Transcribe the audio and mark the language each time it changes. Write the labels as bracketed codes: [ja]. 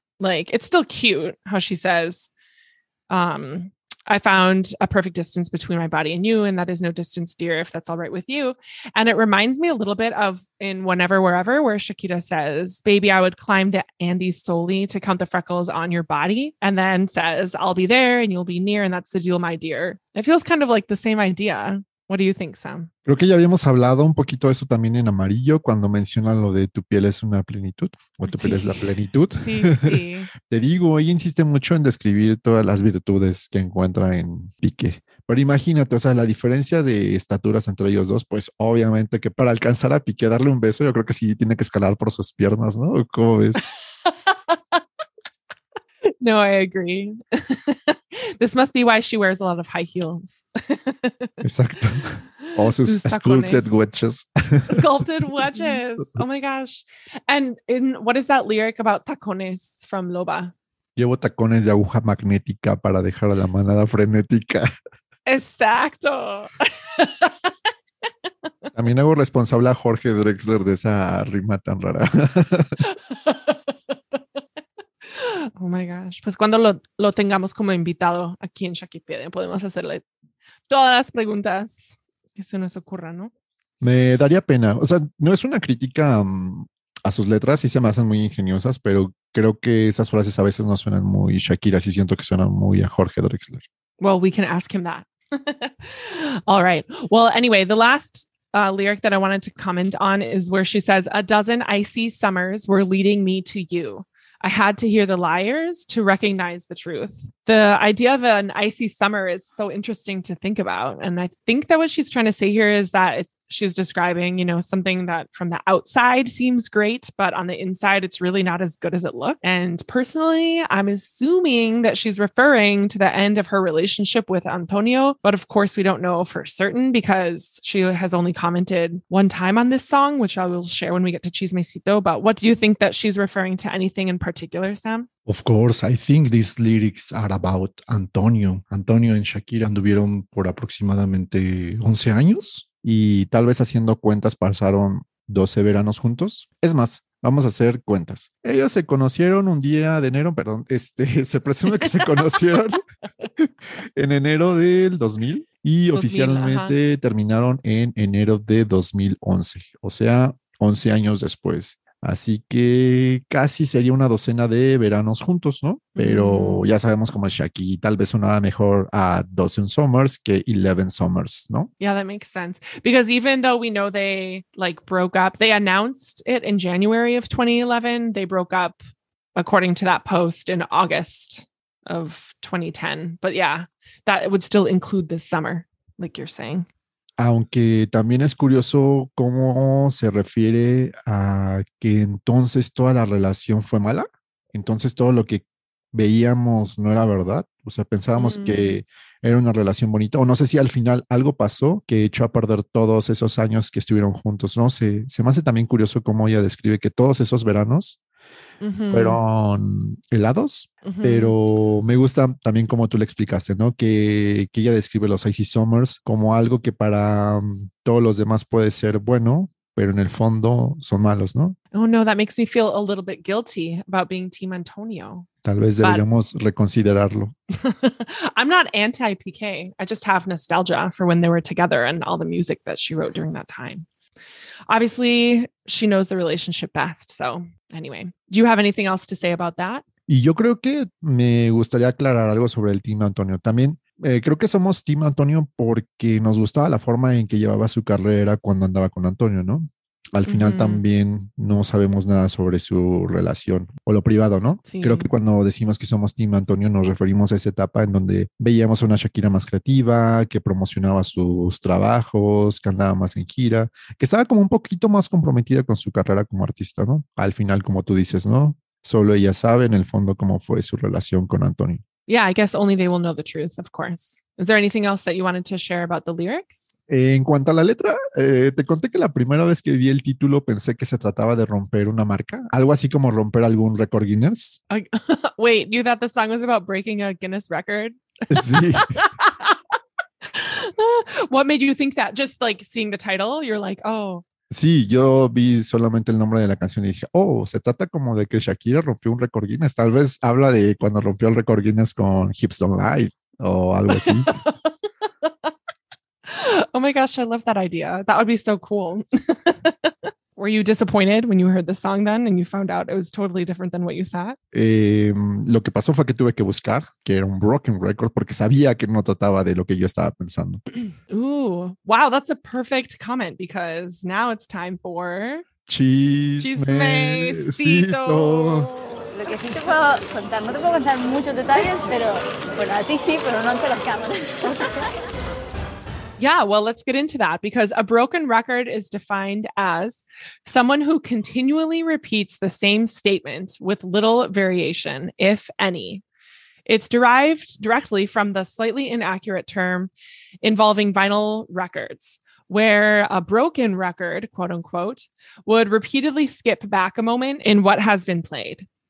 [en] Like, it's still cute how she says, "I found a perfect distance between my body and you, and that is no distance, dear, if that's all right with you." And it reminds me a little bit of in Whenever, Wherever, where Shakira says, "Baby, I would climb the Andes solely to count the freckles on your body," and then says, "I'll be there and you'll be near, and that's the deal, my dear." It feels kind of like the same idea. What do you think, Sam? [es] Creo que ya habíamos hablado un poquito de eso también en Amarillo, cuando menciona lo de tu piel es una plenitud, o tu piel es la plenitud. Sí. Te digo, ella insiste mucho en describir todas las virtudes que encuentra en Piqué. Pero imagínate, o sea, la diferencia de estaturas entre ellos dos, pues obviamente que para alcanzar a Piqué, darle un beso, yo creo que sí tiene que escalar por sus piernas, ¿no? ¿Cómo ves? [en] No, I agree. This must be why she wears a lot of high heels. [es] Exacto. [en] All [es] sus [en] sculpted wedges. Sculpted wedges. Oh my gosh. And in what is that lyric about tacones from Loba? [es] Llevo tacones de aguja magnética para dejar a la manada frenética. Exacto. También hago responsable a Jorge Drexler de esa rima tan rara. Oh my gosh. Pues cuando lo tengamos como invitado aquí en Shakipedia, podemos hacerle todas las preguntas que se nos ocurran, ¿no? Me daría pena. O sea, no es una crítica a sus letras, sí se me hacen muy ingeniosas, pero creo que esas frases a veces no suenan muy Shakira, sí siento que suenan muy a Jorge Drexler. [en] Well, we can ask him that. All right. Well, anyway, the last lyric that I wanted to comment on is where she says, "A dozen icy summers were leading me to you. I had to hear the liars to recognize the truth. The idea of an icy summer is so interesting to think about. And I think that what she's trying to say here is that she's describing, you know, something that from the outside seems great, but on the inside, it's really not as good as it looked. And personally, I'm assuming that she's referring to the end of her relationship with Antonio. But of course, we don't know for certain because she has only commented one time on this song, which I will share when we get to Chismecito. But what do you think that she's referring to, anything in particular, Sam? Of course, I think these lyrics are about Antonio. [es] Antonio and Shakira anduvieron por aproximadamente 11 años. Y tal vez haciendo cuentas pasaron 12 veranos juntos. Es más, vamos a hacer cuentas. Ellos se conocieron un día de enero, perdón, se presume que se conocieron en enero del 2000 y 2000, oficialmente ajá. Terminaron en enero de 2011, o sea, 11 años después. Así que casi sería una docena de veranos juntos, ¿no? Pero ya sabemos cómo es Shakira, tal vez sonaba mejor a [en] 12 summers [es] que [en] 11 summers, [es] ¿no? [en] Yeah, that makes sense. Because even though we know they like broke up, they announced it in January of 2011, they broke up according to that post in August of 2010. But yeah, that would still include this summer, like you're saying. [es] Aunque también es curioso cómo se refiere a que entonces toda la relación fue mala. Entonces todo lo que veíamos no era verdad. O sea, pensábamos que era una relación bonita. O no sé si al final algo pasó que echó a perder todos esos años que estuvieron juntos. No sé, se me hace también curioso cómo ella describe que todos esos veranos fueron helados, pero me gusta también como tú le explicaste, ¿no? Que ella describe los [en] icy summers [es] como algo que para todos los demás puede ser bueno, pero en el fondo son malos, ¿no? [en] Oh no, that makes me feel a little bit guilty about being Team Antonio. [es] Tal vez deberíamos reconsiderarlo. [en] I'm not anti-PK. I just have nostalgia for when they were together and all the music that she wrote during that time. Obviously, she knows the relationship best, so. Anyway, do you have anything else to say about that? [es] Y yo creo que me gustaría aclarar algo sobre el Team Antonio. También creo que somos Team Antonio porque nos gustaba la forma en que llevaba su carrera cuando andaba con Antonio, ¿no? Al final también no sabemos nada sobre su relación o lo privado, ¿no? Sí. Creo que cuando decimos que somos Team Antonio nos referimos a esa etapa en donde veíamos a una Shakira más creativa, que promocionaba sus trabajos, que andaba más en gira, que estaba como un poquito más comprometida con su carrera como artista, ¿no? Al final, como tú dices, ¿no? Solo ella sabe en el fondo cómo fue su relación con Antonio. [en] Yeah, I guess only they will know the truth, of course. Is there anything else that you wanted to share about the lyrics? [es] En cuanto a la letra, te conté que la primera vez que vi el título pensé que se trataba de romper una marca. Algo así como romper algún récord Guinness. [en] Wait, you thought the song was about breaking a Guinness record? [es] Sí. [en] What made you think that? Just like seeing the title, you're like, oh. [es] Sí, yo vi solamente el nombre de la canción y dije, oh, se trata como de que Shakira rompió un récord Guinness. Tal vez habla de cuando rompió el récord Guinness con Hips Don't Lie o algo así. [en] Oh my gosh, I love that idea. That would be so cool. Were you disappointed when you heard the song then and you found out it was totally different than what you thought? [es] Lo que pasó fue que tuve que buscar que era un [en] broken record [es] porque sabía que no trataba de lo que yo estaba pensando. [en] Ooh, wow, that's a perfect comment because now it's time for... [es] Chismecito. Lo que sí te puedo contar, no te puedo contar muchos detalles, pero bueno, a ti sí, pero no ante las cámaras. [en] Yeah, well, let's get into that because a broken record is defined as someone who continually repeats the same statement with little variation, if any. It's derived directly from the slightly inaccurate term involving vinyl records, where a broken record, quote unquote, would repeatedly skip back a moment in what has been played.